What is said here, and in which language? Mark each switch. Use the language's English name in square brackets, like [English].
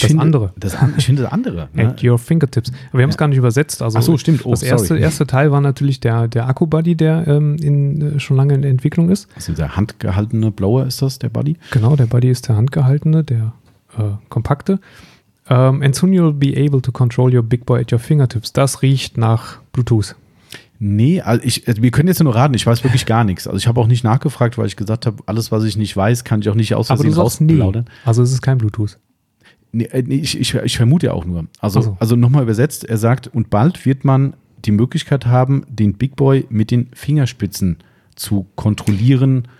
[German] das finde, andere. Ich finde das andere. [English] Ne? At your fingertips. [German] Aber wir haben es gar nicht übersetzt. Also ach so, stimmt. Oh, das erste Teil war natürlich der Akku-Buddy, der schon lange in Entwicklung ist. Also der handgehaltene Blower ist das, der Buddy? Genau, der Buddy ist der handgehaltene, der kompakte. [English] And soon you'll be able to control your big boy at your fingertips. [German] Das riecht nach Bluetooth. Nee, also wir können jetzt nur raten, ich weiß wirklich gar nichts. Also ich habe auch nicht nachgefragt, weil ich gesagt habe, alles, was ich nicht weiß, kann ich auch nicht aus Versehen rausplaudern. Also es ist kein Bluetooth. Nee, ich vermute auch nur. Also nochmal übersetzt, er sagt, und bald wird man die Möglichkeit haben, den Big Boy mit den Fingerspitzen zu kontrollieren.